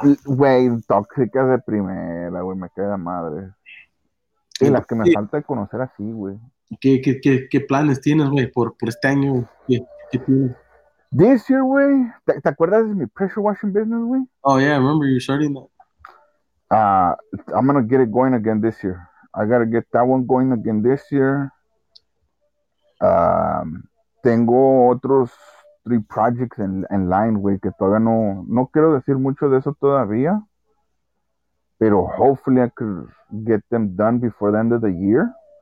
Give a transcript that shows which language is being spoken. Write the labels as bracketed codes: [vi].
[es] Güey, tóxicas de primera, güey. Me queda madre. Y las que me falta de conocer así, güey. ¿Qué planes tienes, güey, por este año? ¿Qué tienes? [en] This year, güey. [es] ¿Te acuerdas de mi [en] pressure washing business, [es] güey? [en] Oh, yeah, I remember you starting that. I'm gonna get it going again this year. I gotta get that one going again this year. [es] Tengo otros 3 projects en line, güey, que todavía no quiero decir mucho de eso todavía. [en] Pero hopefully I could get them done before the end of the year.